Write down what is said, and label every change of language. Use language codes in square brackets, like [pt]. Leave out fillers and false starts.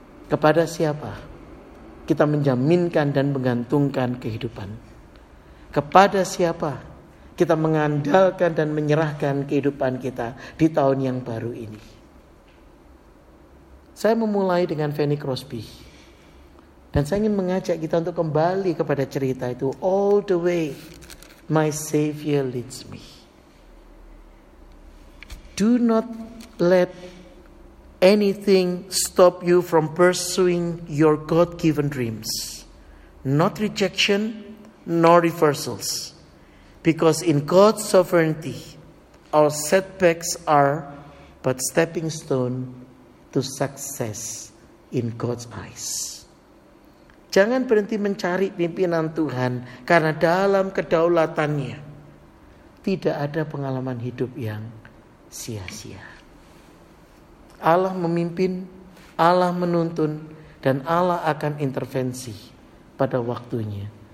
[id] Kepada siapa kita menjaminkan dan menggantungkan kehidupan? Kepada siapa kita mengandalkan dan menyerahkan kehidupan kita di tahun yang baru ini? Saya memulai dengan Fanny Crosby. Dan saya ingin mengajak kita untuk kembali kepada cerita itu. [en] All the way my Savior leads me. Do not let anything stop you from pursuing your God-given dreams. Not rejection, nor reversals. Because in God's sovereignty, our setbacks are but stepping stone to success in God's eyes. [id] Jangan berhenti mencari pimpinan Tuhan, karena dalam kedaulatannya tidak ada pengalaman hidup yang sia-sia. Allah memimpin, Allah menuntun, dan Allah akan intervensi pada waktunya.